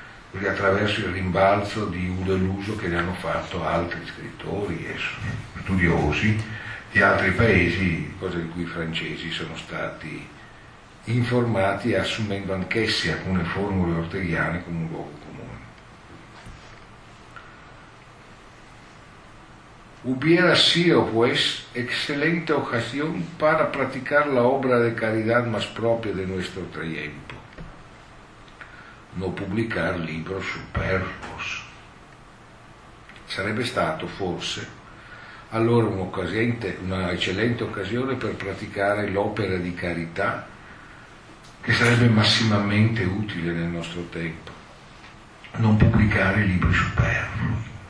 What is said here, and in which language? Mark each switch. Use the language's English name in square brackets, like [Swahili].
[Italian] perché attraverso il rimbalzo di un deluso che ne hanno fatto altri scrittori e studiosi di altri paesi, cosa di cui i francesi sono stati informati, assumendo anch'essi alcune formule orteghiane come un luogo comune. [Spanish] Hubiera sido pues excelente ocasión para practicar la obra de caridad más propia de nuestro tiempo, no publicar libros superfluos. [Italian] Sarebbe stato forse allora una eccellente occasione per praticare l'opera di carità che sarebbe massimamente utile nel nostro tempo, non pubblicare libri superflui.